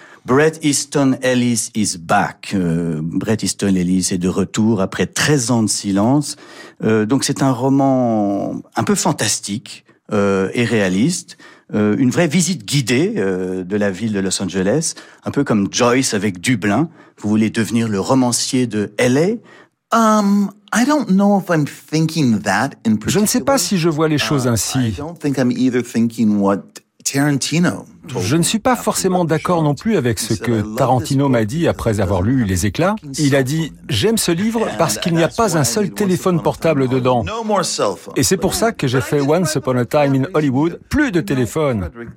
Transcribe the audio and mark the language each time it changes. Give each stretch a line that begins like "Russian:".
English: Bret Easton Ellis is back.
French: Bret Easton Ellis est de retour après 13 ans de silence. Donc c'est un roman un peu fantastique et réaliste. Une vraie visite guidée de la ville de Los Angeles. Un peu comme Joyce avec Dublin. Vous voulez devenir le romancier de L.A.?
English: I don't know if I'm thinking that in particular.
French: Je ne sais pas si je vois les choses ainsi.
English: I don't think I'm either thinking what Tarantino...
French: Je ne suis pas forcément d'accord non plus avec ce que Tarantino m'a dit après avoir lu Les Éclats. Il a dit « J'aime ce livre parce qu'il n'y a pas un seul téléphone portable dedans. » Et c'est pour ça que j'ai fait Once Upon a Time in Hollywood, plus de téléphone.